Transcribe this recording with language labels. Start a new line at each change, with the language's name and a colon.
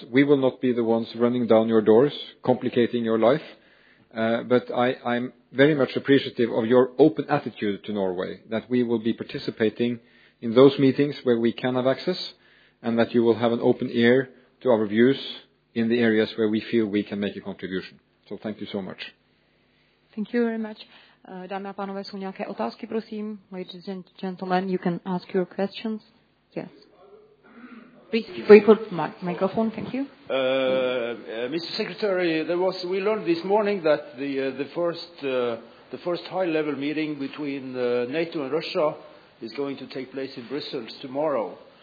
English: We will not be the ones running down your doors, complicating your life, but I'm very much appreciative of your open attitude to Norway, that we will be participating in those meetings where we can have access, and that you will have an open ear to our views in the areas where we feel we can make a contribution. So thank you so much. Thank you very much.
Czech: Dámy a pánové, jsou nějaké otázky, prosím?
English: Ladies and gentlemen, you can ask your questions. Yes. Please, if we put microphone, thank you. Mr. Secretary, we learned this morning that the first high-level meeting between NATO and Russia is going to take place in Brussels tomorrow.